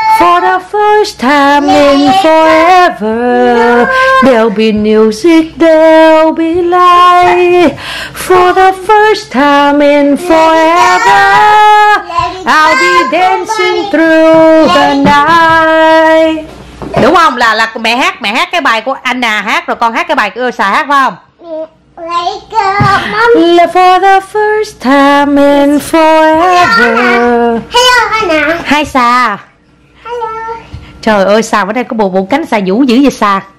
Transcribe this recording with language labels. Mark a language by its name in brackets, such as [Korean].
[English] For the first time in forever, there'll be music, there'll be light. For the first time in forever, I'll be dancing through the night. [Vietnamese] Đúng không? Là mẹ hát cái bài của Anna hát, rồi con hát cái bài của Elsa hát phải không? [English] Let it go, mom. For the first time in forever. Hello, Anna. Hi, Sa. [Vietnamese] Trời ơi, sao ở đây có bộ cánh xà vũ dữ vậy Sa?